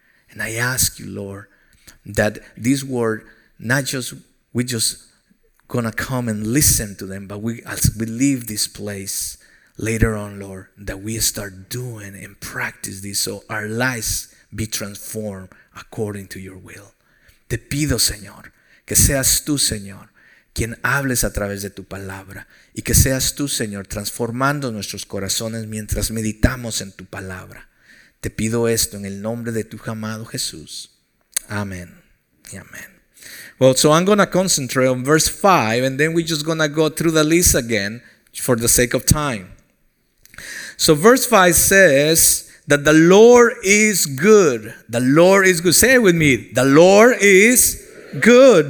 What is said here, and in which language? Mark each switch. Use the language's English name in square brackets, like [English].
[English] And I ask you, Lord, that this word, not just we just gonna come and listen to them, but we as we leave this place later on, Lord, that we start doing and practice this so our lives be transformed according to your will. [Spanish] Te pido, Señor, que seas tú, Señor, quien hables a través de tu palabra y que seas tú, Señor, transformando nuestros corazones mientras meditamos en tu palabra. Te pido esto en el nombre de tu amado Jesús. Amén y amén. [English] Well, so I'm going to concentrate on verse 5, and then we're just going to go through the list again for the sake of time. So verse 5 says that the Lord is good. The Lord is good. Say it with me. The Lord is good.